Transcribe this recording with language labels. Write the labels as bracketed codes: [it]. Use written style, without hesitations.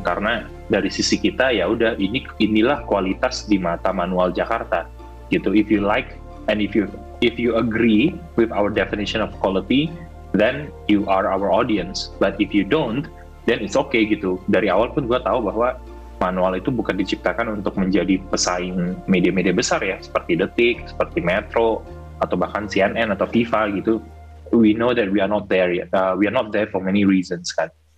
[id] Karena dari sisi kita ya udah inilah kualitas di mata manual Jakarta gitu. [en] If you like and if you agree with our definition of quality, then you are our audience. But if you don't, then it's okay gitu. [id] Dari awal pun gue tahu bahwa manual itu bukan diciptakan untuk menjadi pesaing media-media besar ya, seperti Detik, seperti Metro, atau bahkan CNN atau Viva gitu. [en] We know that we are not there yet. We are not there for many reasons kan.